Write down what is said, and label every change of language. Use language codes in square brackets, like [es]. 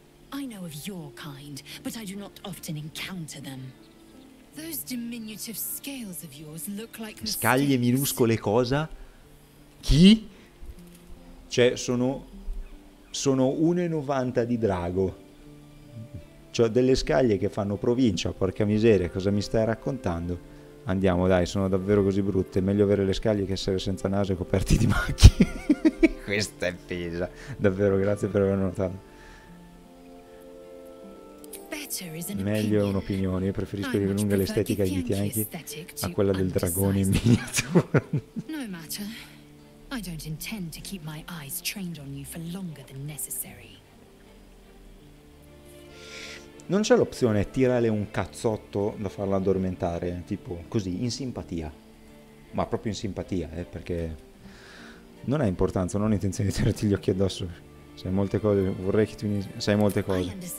[en] I know of your kind, but I do not often encounter them. Those diminutive scales of yours look like [it] scaglie minuscole, cosa? Chi? Cioè, sono 1,90 di drago. C'ho delle scaglie che fanno provincia, porca miseria, cosa mi stai raccontando? Andiamo, dai, sono davvero così brutte. Meglio avere le scaglie che essere senza naso e coperti di macchie. Questa è pesa. Davvero, grazie per aver notato. Meglio è un'opinione. Io preferisco di lunga l'estetica di Tianchi a quella del dragone in miniatura. [en] No matter. I don't intend to keep my eyes trained on you for longer than necessary. [it] Non c'è l'opzione tirare un cazzotto da farla addormentare, tipo così, in simpatia. Ma proprio in simpatia, perché non ha importanza, non ho intenzione di tenerti gli occhi addosso. Sai molte cose, vorrei che tu mi... Sai molte cose.